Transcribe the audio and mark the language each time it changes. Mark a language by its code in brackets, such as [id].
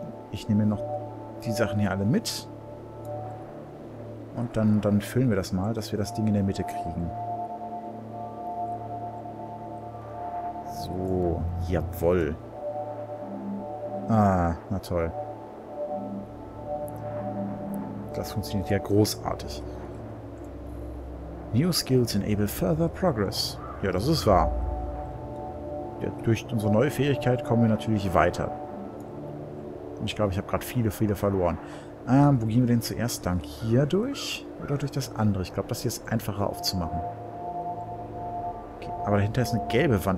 [de] Ich nehme noch die Sachen hier alle mit. Und dann füllen wir das mal, dass wir das Ding in der Mitte kriegen. So, jawoll. Ah, na toll. Das funktioniert ja großartig. [en] New skills enable further progress. [de] Ja, das ist wahr. Ja, durch unsere neue Fähigkeit kommen wir natürlich weiter. Und ich glaube, ich habe gerade viele verloren. Wo gehen wir denn zuerst? Dann hier durch oder durch das andere? Ich glaube, das hier ist einfacher aufzumachen. Okay, aber dahinter ist eine gelbe Wand.